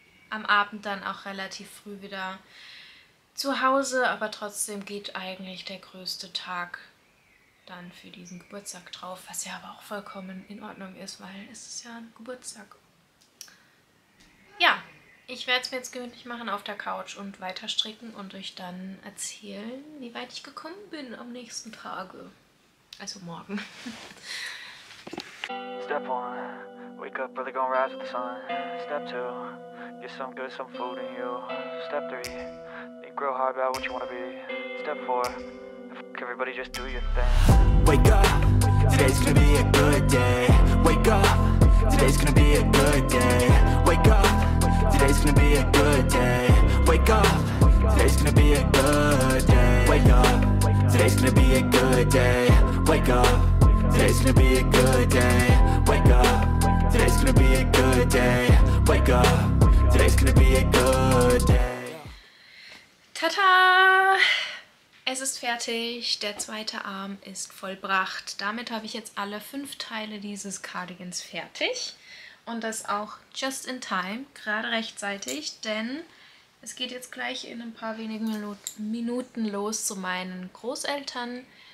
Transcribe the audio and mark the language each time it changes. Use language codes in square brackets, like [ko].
[de] Am Abend dann auch relativ früh wieder zu Hause, aber trotzdem geht eigentlich der größte Tag dann für diesen Geburtstag drauf, was ja aber auch vollkommen in Ordnung ist, weil es ist ja ein Geburtstag. Ja, ich werde es mir jetzt gemütlich machen auf der Couch und weiter stricken und euch dann erzählen, wie weit ich gekommen bin am nächsten Tage. Also morgen. [en] Step 1, wake up, really gonna rise with the sun. Step 2, get some good, some food in you. Step 3, think real hard about what you wanna be. Step 4, fuck everybody, just do your thing. Wake up, today's gonna be a good day. Wake up, today's gonna be a good day. Wake up, today's gonna be a good day. Wake up, today's gonna be a good day. Wake up, today's gonna be a good day. Wake up. Today's gonna be a good day. Wake up. Today's gonna be a good day. Wake up. Today's gonna be a good day. [de] Tada! Es ist fertig. Der zweite Arm ist vollbracht. Damit habe ich jetzt alle 5 Teile dieses Cardigans fertig. Und das auch [en] just in time, [de] gerade rechtzeitig, denn es geht jetzt gleich in ein paar wenigen Minuten los zu meinen Großeltern.